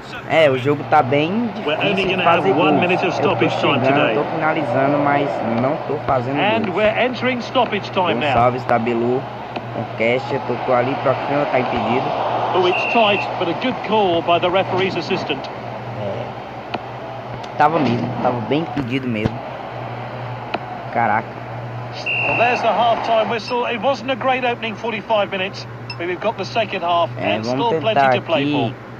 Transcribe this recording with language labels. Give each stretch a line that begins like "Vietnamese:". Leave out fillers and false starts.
Portuguese: É, o jogo tá bem difícil de fazer gol. Eu tô chegando, tô finalizando, mas não tô fazendo gol. Gonçalves tabelou. O Cash tocou ali, pro Akinfenwa tá impedido.
English: Oh, it's tight, but a good call by the referee's assistant.
Portuguese: tava mesmo, tava bem pedido mesmo. Caraca.
English: Well, there's the half-time whistle. It wasn't a great opening 45 minutes, but we've got the second half and still plenty to play for.